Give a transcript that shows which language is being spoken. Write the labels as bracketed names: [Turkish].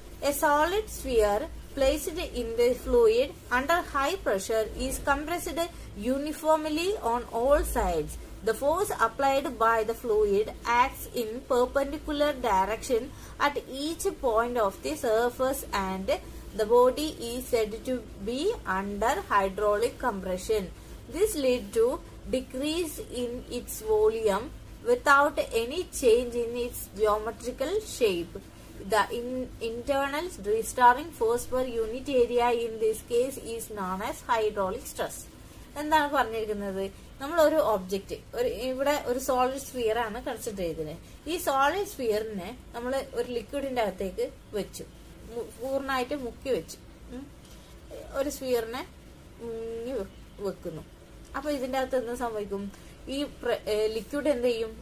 [English] A solid sphere placed in the fluid under high pressure is compressed uniformly on all sides. The force applied by the fluid acts in perpendicular direction at each point of the surface and the body is said to be under hydraulic compression. This lead to decrease in its volume without any change in its geometrical shape. The internal restoring force per unit area in this case is known as hydraulic stress. [Malayalam] എന്താണ് പറഞ്ഞിരിക്കുന്നത്? നമ്മൾ ഒരു object, ഒരു ഇവിടെ ഒരു solid sphere ആണ് consider ചെയ്തത്. ഈ സോളിഡ് സ്ഫിയറിനെ നമ്മൾ ഒരു ലിക്വിഡിന്റെ അകത്തേക്ക് വെച്ചു, പൂർണ്ണമായിട്ട് മുക്കി വെച്ച് ഒരു സ്ഫിയറിനെ മുങ്ങി വെക്കുന്നു. അപ്പൊ ഇതിന്റെ അകത്ത് എന്ത് സംഭവിക്കും? ഈ ലിക്വിഡ് എന്ത് ചെയ്യും?